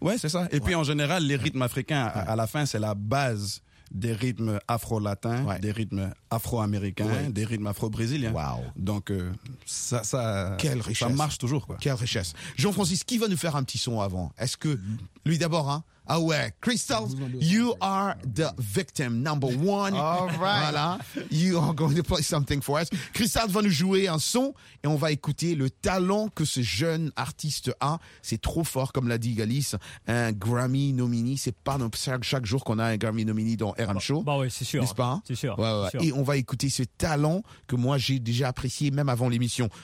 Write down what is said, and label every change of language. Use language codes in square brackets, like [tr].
[fr] Ouais, c'est ça. Et puis en général, les rythmes africains, à la fin, c'est la base des rythmes afro-latins, des rythmes afro-américains, des rythmes afro-brésiliens. Waouh ! Donc, quelle richesse. Ça marche toujours, quoi. Quelle richesse. Jean-Francis, qui va nous faire un petit son avant ? Est-ce que, lui d'abord, hein ? Ah ouais, [en] Crystal, you are the victim number one. All right. [fr] Voilà, [en] you are going to play something for us. [fr] Crystal va nous jouer un son et on va écouter le talent que ce jeune artiste a. C'est trop fort, comme l'a dit Galice, un Grammy nominee. C'est pas chaque jour qu'on a un Grammy nominee dans RM Show. Bah oui, c'est sûr. N'est-ce pas ? C'est sûr. Ouais. C'est sûr. Et on va écouter ce talent que moi j'ai déjà apprécié même avant l'émission.